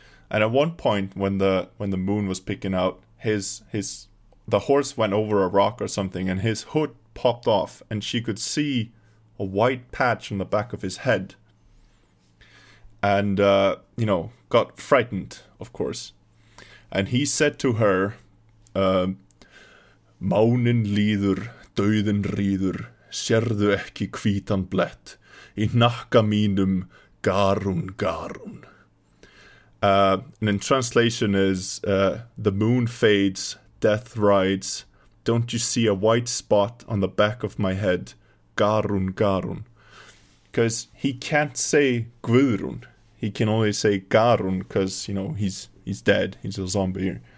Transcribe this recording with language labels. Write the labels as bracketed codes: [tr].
[en] And at one point when the moon was peeking out, the horse went over a rock or something, and his hood popped off, and she could see a white patch on the back of his head, and you know, got frightened, of course. And he said to her, [is] Mánin líður, dauðin ríður, sérðu ekki hvítan blett í nakka mínum garun garun. [en] And in translation is, the moon fades, death rides, don't you see a white spot on the back of my head, garun garun. Because he can't say Guðrún, he can only say garun, because, you know, he's dead, he's a zombie.